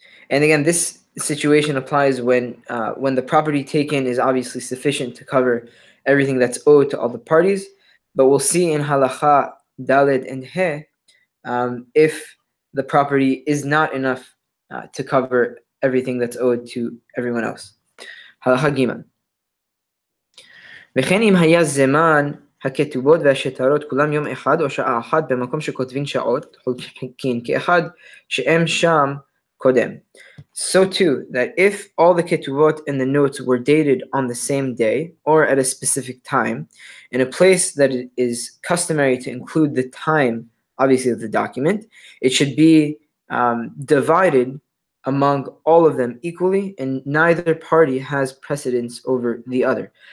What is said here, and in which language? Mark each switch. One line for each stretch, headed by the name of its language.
English: And again, this situation applies when the property taken is obviously sufficient to cover everything that's owed to all the parties. But we'll see in Halacha Dalet and He if the property is not enough to cover everything that's owed to everyone else. Halacha Gima.
Hebrew: V'chein im haya zeman הכתובות והשטרות כולם יום אחד או שעה אחת במקום שכותבים שעות חלקין כאחד שהם שם קודם.
English: So too, that if all the ketubot and the notes were dated on the same day or at a specific time, in a place that it is customary to include the time obviously of the document. It should be divided among all of them equally, and neither party has precedence over the other.